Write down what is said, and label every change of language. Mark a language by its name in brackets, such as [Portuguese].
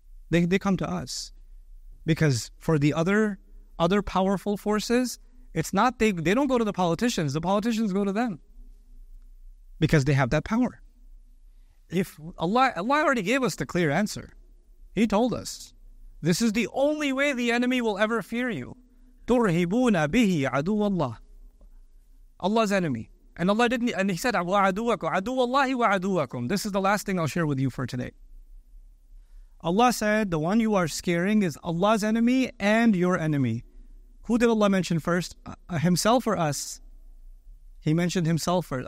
[English] They come to us. Because for the other powerful forces, it's not they don't go to the politicians. The politicians go to them. Because they have that power. If Allah already gave us the clear answer. He told us, this is the only way the enemy will ever fear you. [Arabic] تُرْهِبُونَ بِهِ عَدُوَ اللَّهِ [English] Allah's enemy. And Allah didn't, and He said, [Arabic] وَعَدُوَكُمْ عَدُوَ اللَّهِ وَعَدُوَكُمْ [English] This is the last thing I'll share with you for today. Allah said, the one you are scaring is Allah's enemy and your enemy. Who did Allah mention first? Himself or us? He mentioned Himself first.